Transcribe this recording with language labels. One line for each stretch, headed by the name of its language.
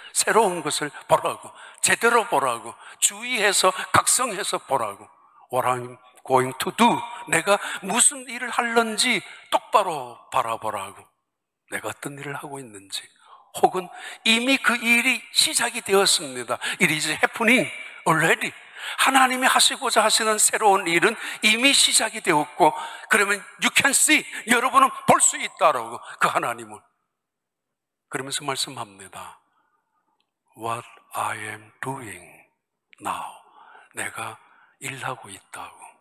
Korean: 새로운 것을 보라고, 제대로 보라고, 주의해서 각성해서 보라고.
English: What I'm going to do.
Korean: 내가 무슨 일을 하는지 똑바로 바라보라고. 내가 어떤 일을 하고 있는지. 혹은 이미 그 일이 시작이 되었습니다.
English: It is happening already.
Korean: 하나님이 하시고자 하시는 새로운 일은 이미 시작이 되었고, 그러면
English: you can see,
Korean: 여러분은 볼수 있다라고, 그 하나님을. 그러면서 말씀합니다.
English: What I am doing now.
Korean: 내가 일하고 있다고.